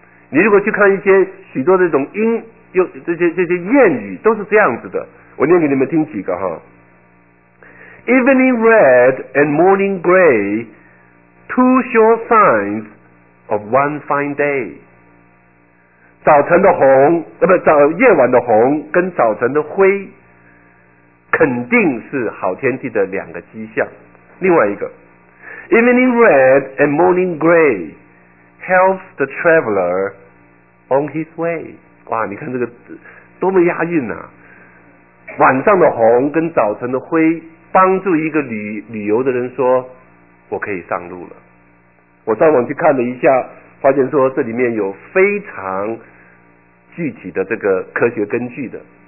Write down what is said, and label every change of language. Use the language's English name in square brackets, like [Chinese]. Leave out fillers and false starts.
[Chinese] 你如果去看一些许多这种音，这些谚语都是这样子的，我念给你们听几个哈。 [English] Evening red and morning gray, two sure signs of one fine day. [Chinese] 早晨的红，夜晚的红跟早晨的灰，肯定是好天气的两个迹象。另外一个 [English] ，Evening red and morning gray helps the traveler on his way. [Chinese] 哇，你看这个多么押韵啊！晚上的红跟早晨的灰，帮助一个旅游的人说，我可以上路了。我上网去看了一下，发现说这里面有非常具体的这个科学根据的。